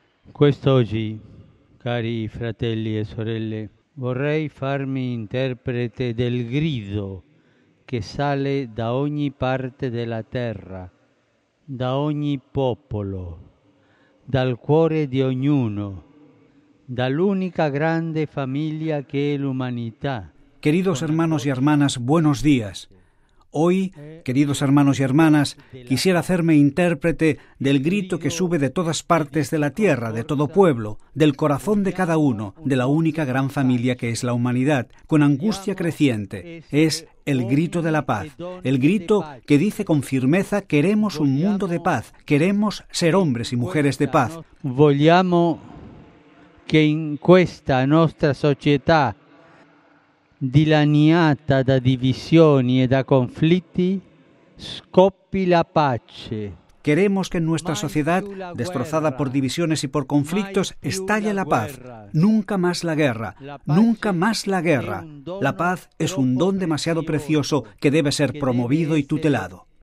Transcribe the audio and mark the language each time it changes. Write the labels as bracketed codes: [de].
[it] Quest'oggi, cari fratelli e sorelle, vorrei farmi interprete del grido che sale da ogni parte della terra, da ogni popolo, dal cuore di ognuno, dall'unica grande famiglia che è l'umanità. [es] Queridos hermanos y hermanas, buenos días. Hoy, queridos hermanos y hermanas, quisiera hacerme intérprete del grito que sube de todas partes de la tierra, de todo pueblo, del corazón de cada uno, de la única gran familia que es la humanidad, con angustia creciente. Es el grito de la paz, el grito que dice con firmeza: queremos un mundo de paz, queremos ser hombres y mujeres de paz. [it] Vogliamo che in questa nostra società dilaniata da divisioni e da conflitti scoppi la pace. [es] Queremos que en nuestra sociedad, destrozada por divisiones y por conflictos, estalle la paz. Nunca más la guerra. Nunca más la guerra. La paz es un don demasiado precioso que debe ser promovido y tutelado.